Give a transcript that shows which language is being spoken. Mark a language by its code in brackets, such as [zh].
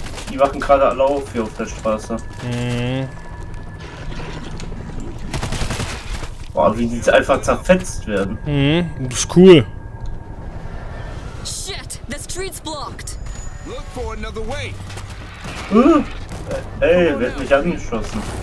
[de] Die wachen gerade alle auf hier auf der Straße. Boah, wie die einfach zerfetzt werden. Das ist cool. [en] Shit, the street's blocked. Look for another way. [de] Ey, wer hat mich angeschossen?